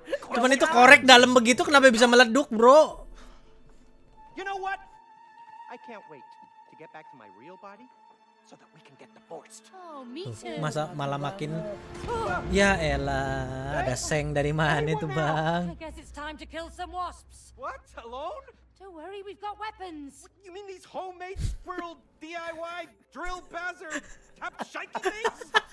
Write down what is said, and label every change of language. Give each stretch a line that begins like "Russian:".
Indonesian: Cuman itu korek dalam begitu kenapa bisa meleduk bro?
English: You know what? I can't wait to get back to my real body so that we can get divorced. Oh, me too.
Indonesian: Masa malah makin ya elah, ada seng dari mana itu, Bang?
English: I guess it's time to kill some wasps. What? Alone? Don't worry, we've got weapons. What, you mean these homemade squirrel DIY drill bazzer tap shaky things?